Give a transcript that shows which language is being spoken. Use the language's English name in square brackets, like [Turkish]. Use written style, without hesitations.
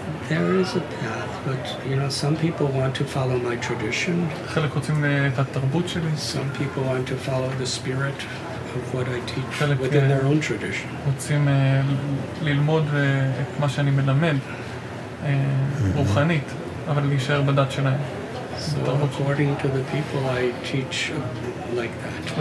[English] There is a path, but you know, some people want to follow my tradition. [Hebrew] חלק רוצים את התרבות שלי. [English] Some people want to follow the spirit of what I teach within their own tradition. [Hebrew] רוצים ללמוד את מה שאני מלמד רוחנית, אבל להישאר בדת שלהם. [English] According to the people I teach like that.